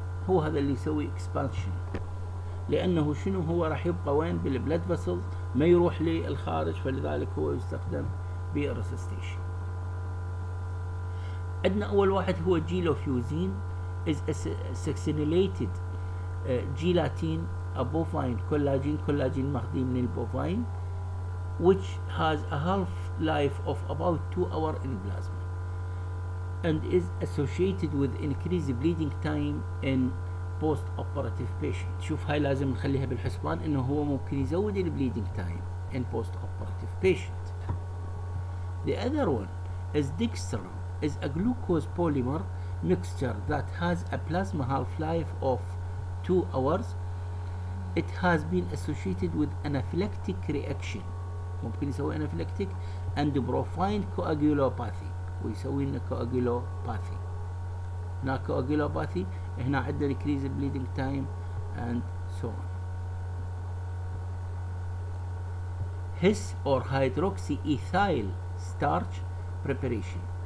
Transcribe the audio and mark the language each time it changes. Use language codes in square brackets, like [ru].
[ar] هو هذا اللي يسوي expansion، لأنه شنو هو راح يبقى وين بالبلد vessels، ما يروح للخارج، فلذلك هو يستخدم بالرسستيشن. عندنا أول واحد هو [en] gelofusine is a succinylated gelatin bovine collagen، [ar] كولاجين مخدي من البوفاين، [en] which has a half life of about 2 hours in plasma and is associated with increased bleeding time in post operative patient. [ar] شوف هاي لازم نخليها بالحسبان، انه هو ممكن يزود البليدنج تايم [en] in post operative patient. The other one is dextran is a glucose polymer mixture that has a plasma half life of 2 hours. It has been associated with anaphylactic reaction. [ar] ممكن يسوي [en] anaphylactic and profound coagulopathy. [ar] ويسوي لنا coagulopathy. هنا coagulopathy، هنا عندنا [en] increased bleeding time and so on. His or hydroxyethyl starch preparation.